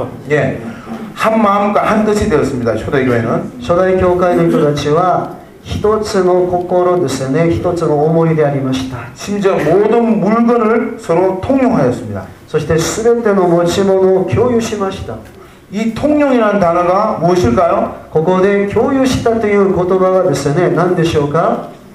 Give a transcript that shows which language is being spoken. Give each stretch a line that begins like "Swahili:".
Korean: 예한마음과한뜻이되었습니다초대교회는 초대교회의
Japanese: 人たちは一つの心ですね一つの思いでありました。
Korean: 심지어모든물건을서로통용하였습니다
Japanese: そして全ての持ち物を共有しました。
Korean: 이통용이라는단어가무엇일까요
Japanese: ここで共有したという言葉がですね何でしょうか